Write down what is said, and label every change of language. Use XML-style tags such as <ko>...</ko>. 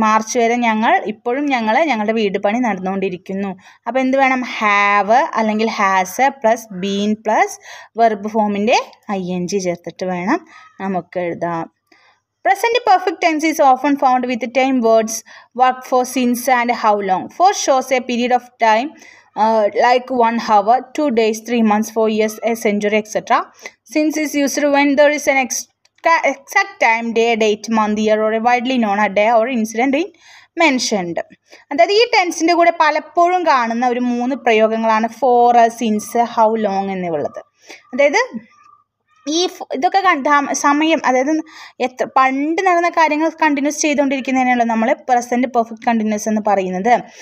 <ml>March വരെ ഞങ്ങൾ ഇപ്പോഴും ഞങ്ങൾ ഞങ്ങളുടെ വീട് പണി നടന്നുകൊണ്ടിരിക്കുന്നു. അപ്പോൾ എന്ത് വേണം, ഹാവ് അല്ലെങ്കിൽ has plus been plus verb ഫോമിൻ്റെ I N G ചേർത്തിട്ട് വേണം നമുക്ക് എഴുതാം.</ml> <en>Present perfect tense is often found with time words work for since and how long. For shows a period of time like 1 hour, 2 days, 3 months, 4 years, a century, etc. Since is used when there is an exact time, day, date, month, year, or a widely known day or incident in mentioned.</en> <ml>അതായത് ഈ ടെൻസിൻ്റെ കൂടെ പലപ്പോഴും കാണുന്ന ഒരു 3 പ്രയോഗങ്ങളാണ് four, since, how long എന്നിവുള്ളത്. അതായത് ഈ ഇതൊക്കെ സമയം, അതായത് എത്ര പണ്ട് നടന്ന കാര്യങ്ങൾ കണ്ടിന്യൂസ് ചെയ്തുകൊണ്ടിരിക്കുന്നതിനുള്ള നമ്മൾ പ്രസൻറ്റ് പെർഫെക്റ്റ് കണ്ടിന്യൂസ് എന്ന് പറയുന്നത്.</ml>